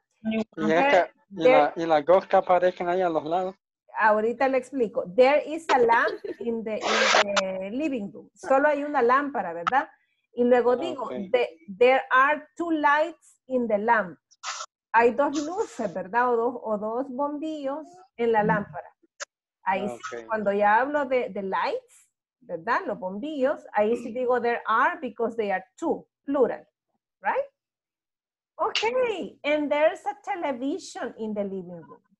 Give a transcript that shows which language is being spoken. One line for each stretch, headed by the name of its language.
Spanish: Y, esta, y las dos que aparecen ahí a los lados. Ahorita le explico.
English: There is a lamp in the living room.
Spanish: Solo hay una lámpara, ¿verdad? Y luego digo,
English: there are 2 lights in the lamp.
Spanish: Hay 2 luces, ¿verdad? O dos bombillos en la lámpara. Ahí sí, cuando ya hablo de lights, ¿verdad? Los bombillos, ahí sí digo
English: there are because they are 2, plural, right? Okay, and there's a television in the living room.